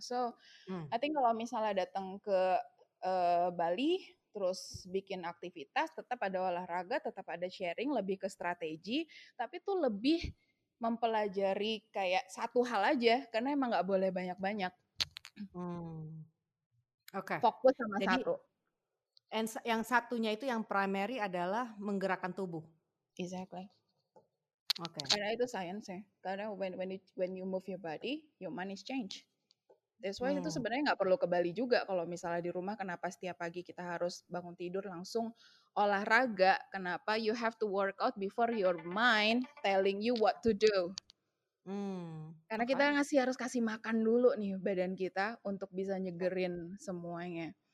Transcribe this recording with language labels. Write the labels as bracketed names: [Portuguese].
[English] So, I think [Indonesian] kalau misalnya datang ke Bali, terus bikin aktivitas, tetap ada olahraga, tetap ada sharing, lebih ke strategi, tapi tuh lebih mempelajari kayak satu hal aja, karena emang gak boleh banyak-banyak. Fokus sama jadi, satu. And yang satunya itu yang primary adalah menggerakkan tubuh. [English] Exactly. Okay. [Indonesian] Karena itu science ya. Karena [English] when you move your body, your mind is change. That's why [Indonesian] itu sebenarnya nggak perlu ke Bali juga. Kalau misalnya di rumah, kenapa setiap pagi kita harus bangun tidur langsung olahraga? Kenapa [English] you have to work out before your mind telling you what to do? [Indonesian] Karena kita harus kasih makan dulu nih badan kita untuk bisa nyegerin semuanya.